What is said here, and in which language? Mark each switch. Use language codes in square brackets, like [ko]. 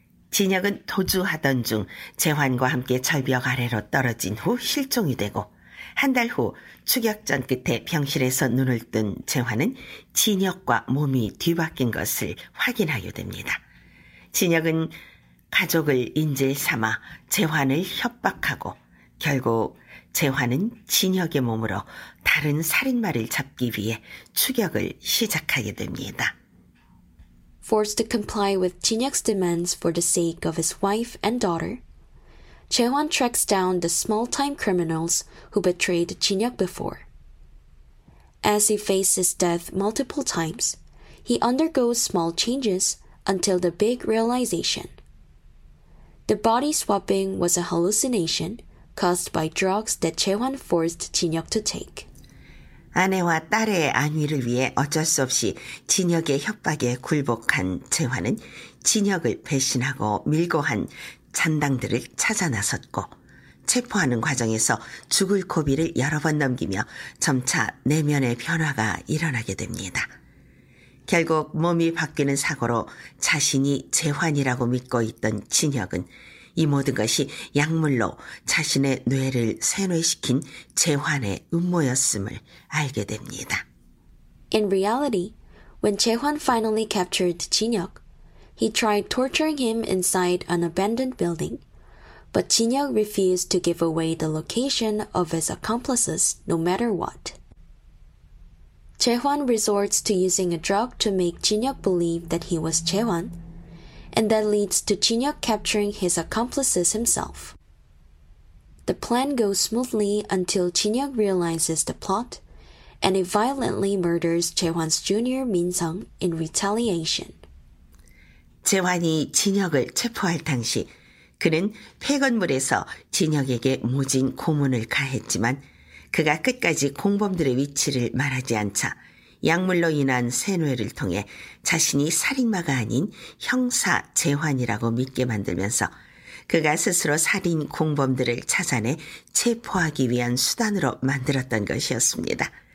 [ko] 진혁은 도주하던 중 재환과 함께 절벽 아래로 떨어진 후 실종이 되고 한 달 후 추격전 끝에 병실에서 눈을 뜬 재환은 진혁과 몸이 뒤바뀐 것을 확인하게 됩니다. 진혁은 가족을 인질 삼아 재환을 협박하고 결국 재환은 진혁의 몸으로 다른 살인마를 잡기 위해 추격을 시작하게 됩니다. [en] Forced to comply with Jin-hyuk's demands for the sake of his wife and daughter, Jae-hwan tracks down the small-time criminals who betrayed Jin-hyuk before. As he faces death multiple times, he undergoes small changes until the big realization. The body swapping was a hallucination caused by drugs that Jae-hwan forced Jin-hyuk to take. [ko] 아내와 딸의 안위를 위해 어쩔 수 없이 진혁의 협박에 굴복한 재환은 진혁을 배신하고 밀고한 잔당들을 찾아 나섰고 체포하는 과정에서 죽을 고비를 여러 번 넘기며 점차 내면의 변화가 일어나게 됩니다. 결국 몸이 바뀌는 사고로 자신이 재환이라고 믿고 있던 진혁은 이 모든 것이 약물로 자신의 뇌를 세뇌시킨 재환의 음모였음을 알게 됩니다. [en] In reality, when Jae-hwan finally captured Jin-hyuk, he tried torturing him inside an abandoned building, but Jin-hyuk refused to give away the location of his accomplices no matter what. Jae-hwan resorts to using a drug to make Jin-hyuk believe that he was Jae-hwan, and that leads to Jin-hyuk capturing his accomplices himself. The plan goes smoothly until Jin-hyuk realizes the plot, and he violently murders Jae-hwan's junior Min-sung in retaliation. [ko] 재환이 진혁을 체포할 당시 그는 폐건물에서 진혁에게 무진 고문을 가했지만 그가 끝까지 공범들의 위치를 말하지 않자 약물로 인한 세뇌를 통해 자신이 살인마가 아닌 형사 재환이라고 믿게 만들면서 그가 스스로 살인 공범들을 찾아내 체포하기 위한 수단으로 만들었던 것이었습니다.